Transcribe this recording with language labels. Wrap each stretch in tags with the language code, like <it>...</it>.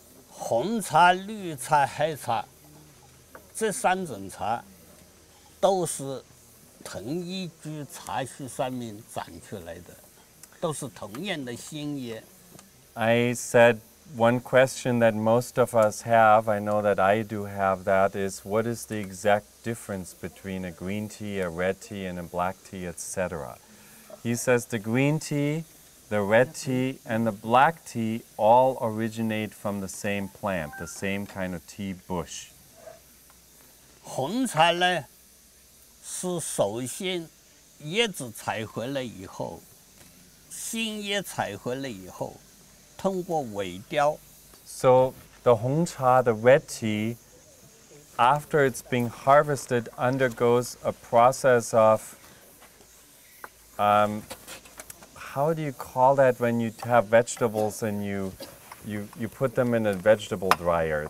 <zh>红茶、绿茶、黑茶，这三种茶都是同一株茶树上面长出来的，都是同样的新叶。</zh> <en>I said one question that most of us have, I know that I do have that, is what is the exact difference between a green tea, a red tea, and a black tea, etc. He says the green tea. The red tea and the black tea all originate from the same plant, the same kind of tea bush.</en> <zh>红茶呢，是首先叶子采回来以后，新叶采回来以后，通过萎凋。</zh> <en>So the 红茶, the red tea, after it's been harvested, undergoes a process of, How do you call that when you have vegetables and you put them in a vegetable dryer?</en>